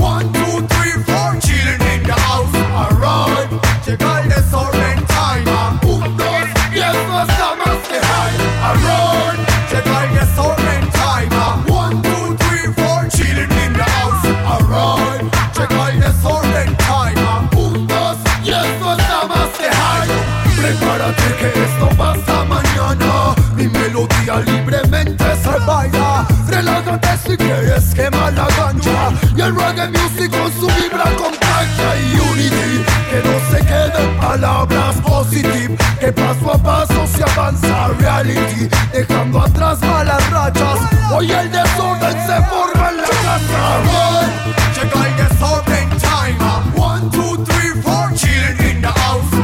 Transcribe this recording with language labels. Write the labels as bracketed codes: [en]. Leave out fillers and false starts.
[en] One, two, three, four, chilling in the house. [es] Arroz, llega el desorden time. Un, dos, y eso está más que high. Arroz, llega el desorden time. [en] One, two, three, four, chilling in the house. [es] Arroz, llega el desorden time. Un, dos, y eso está más que high. Prepárate que esto pasa mañana. Mi melodía libremente se baila. Relájate si quieres quemar la ganja. Y el reggae music con su vibra contagia. Y unity, que no se queden palabras. Positive, que paso a paso se avanza. Reality, dejando atrás malas rachas. Hoy el desorden se forma en la casa. [en] Run, [es] llega el desorden time. [en] One, two, three, four, chilling in the house.